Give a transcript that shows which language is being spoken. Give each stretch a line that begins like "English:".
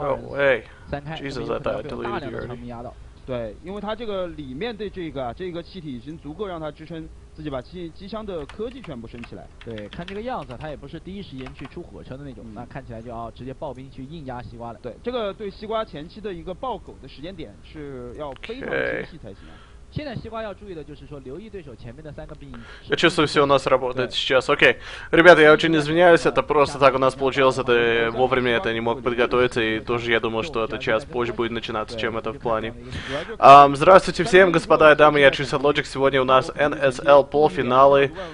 English: Эй, Jesus, I thought I deleted you already.
Chinese: 对，因为它这个里面的这个气体已经足够让它支撑自己把机枪的科技全部升起来。对，看这个样子，它也不是第一时间去出火车的那种，那看起来就要直接爆兵去硬压西瓜了。对，这个对西瓜前期的一个爆狗的时间点是要非常精细才行啊。现在西瓜要注意的就是说，留意对手前面的三个兵。
Russian: Я чувствую, все у нас работает сейчас. Окей, ребята, я очень извиняюсь, это просто так у нас получилось, это вовремя, это не мог подготовиться, и тоже я думал, что это час позже будет начинаться, чем это в плане. Здравствуйте всем, господа и дамы, я Чисел Лоджик, сегодня у нас NSL полуфиналы.